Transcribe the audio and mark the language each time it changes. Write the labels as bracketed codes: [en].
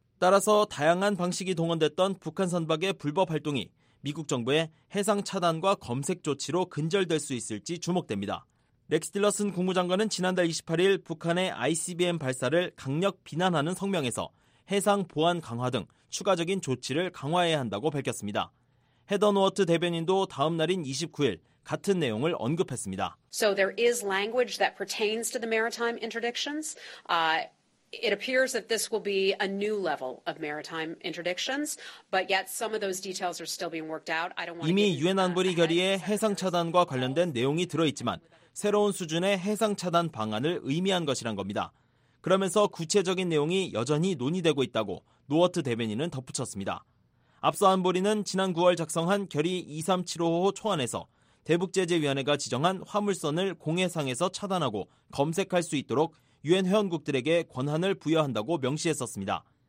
[ko] 따라서 다양한 방식이 동원됐던 북한 선박의 불법 활동이 미국 정부의 해상 차단과 검색 조치로 근절될 수 있을지 주목됩니다. 렉스 딜러슨 국무장관은 지난달 28일 북한의 ICBM 발사를 강력 비난하는 성명에서 해상 보안 강화 등 추가적인 조치를 강화해야 한다고 밝혔습니다. 헤더 노어트 대변인도 다음 날인 29일 같은 내용을 언급했습니다. [en] So there is language that pertains to the maritime interdictions. It appears that this will be a new level of maritime interdictions, but yet some of those details are still being worked out. I don't want [ko] 이미 유엔 안보리 결의에 해상 차단과 관련된 내용이 들어 있지만 새로운 수준의 해상 차단 방안을 의미한 것이란 겁니다. 그러면서 구체적인 내용이 여전히 논의되고 있다고 노어트 대변인은 덧붙였습니다. 앞서 안보리는 지난 9월 작성한 결의 2375호 초안에서 대북제재위원회가 지정한 화물선을 공해상에서 차단하고 검색할 수 있도록 유엔 회원국들에게 권한을 부여한다고 명시했었습니다.